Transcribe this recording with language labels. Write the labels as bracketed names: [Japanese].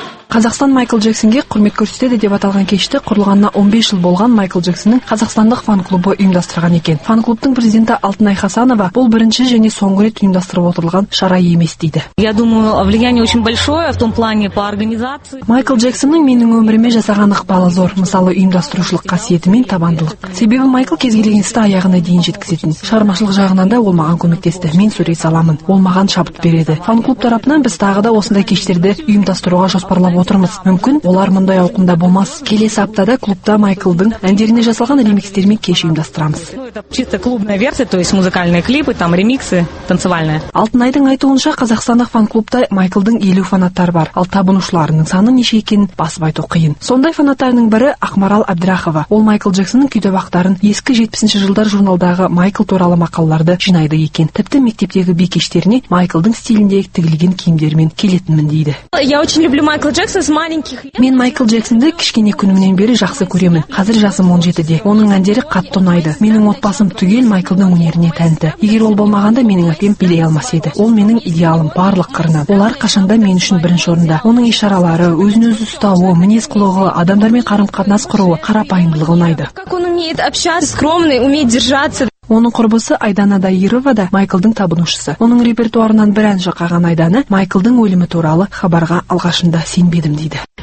[Kazakh] Қазақстан Майкл Джексонге құрмет көрсетеді деп аталған кешті құрылғанына 15 жыл болған Майкл Джексонның қазақстандық фан-клубы ұйымдастырған екен. Фан-клубтың президенті Алтынай Хасанова бұл бірінші және соңғы рет ұйымдастырып отырылған шара емес дейді. [Russian] Я думаю, влияние очень большое в том плане по организации. [Kazakh] Майкл Джексонның менің өміріме жасаған ықпалы зор, мысалы ұйымдастырушылық қасиеті мен табандылық. Себебі Майкл кез келген істі аяғына дейін жеткізетін. Шығармашылық жағынан да ол маған көмектесті. Мен сөре саламын, ол маған шабыт береді. Фан-клуб тарапынан біз тағы да осындай кештерді ұйымдастыруға жоспарлап отырмыз. Мүмкін олар мұндай ауқымда болмас. Келесі аптада клубта Майклдың әндеріне жасалған ремикстер мен кеш ұйымдастырамыз. [Russian] Чисто клубная версия, то есть музыкальные клипы, там ремиксы, танцевальные. [Kazakh] Алтынайдың айтуынша, қазақстандық фан-клубта Майклдың 50 фанаттары бар. Ал табынушыларының саны неше екенін басып айту қиын. Сондай фанаттарының бірі Ақмарал Абдрахова. Ол Майкл Джексонның күйде бақтарын ескі 70-ші жылдар журналдағы Майкл туралы мақалаларды жинайды екен. Тіпті мектептегі бикештеріне Майклдың стилінде тігілген киімдермен келетінмін дейді. [Russian] Я очень люблю Майкл [Kazakh] Мен Майкл Джексонды кішкене күнімнен бері жақсы көремін. Қазір жасым 17-де. Оның әндері қатты ұнайды. Менің отбасым түгел Майклдың өнеріне тәнті. Егер ол болмағанда менің әпкем билей алмас еді. Ол менің идеалым барлық қырынан. Олар қашанда мен үшін бірінші орында. Оның ишаралары, өзін-өзі ұстауы, мінез-құлығы, адамдармен қарым-қатынас құруы, қарапайымдылығы ұнайды. [Russian] Как он умеет общаться, скромный, умеет держаться. [Kazakh] Оның құрбысы Айдана Дайырова да Майклдың табынушысы. Оның репертуарынан бір ән шырқаған Айдана Майклдың өлімі туралы хабарға алғашында сенбедім дейді.